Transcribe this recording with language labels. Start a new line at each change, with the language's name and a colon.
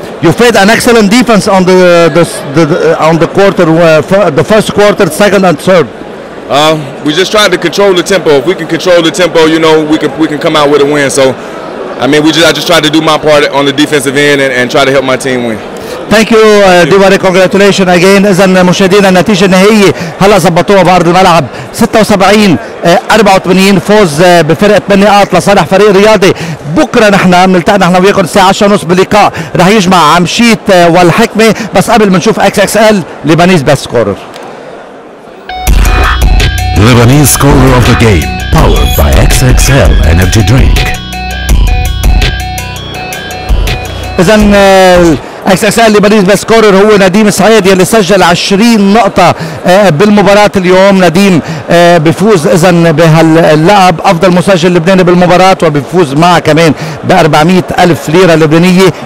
English: You played an excellent defense on the quarter, the first quarter, second and third. We just tried to control the tempo. If we can control the tempo, you know, we can come out with a win. So, I mean, I just tried to do my part on the defensive end and try to help my team win. Thank you, Diwari. Congratulations again.
Arabic: إذن مشاهدينا النتيجة النهائية هلا زبطوها بأرض الملعب 76-84 فوز بفرقة 8 نقاط لصالح فريق رياضي. بكرة نحن بنلتقي نحن وياكم الساعة 10:30 بلقاء رح يجمع عمشيت والحكمة. بس قبل بنشوف XXL Lebanese Best Scorer.
English: Lebanese Scorer of the Game powered by XXL Energy Drink.
Arabic: إذن XXL Lebanese Best Scorer هو نديم السعيد يلي سجل 20 نقطة بالمباراة اليوم. نديم بفوز إذن بهاللقب أفضل مسجل لبناني بالمباراة وبفوز معه كمان ب 400 ألف ليرة لبنانية.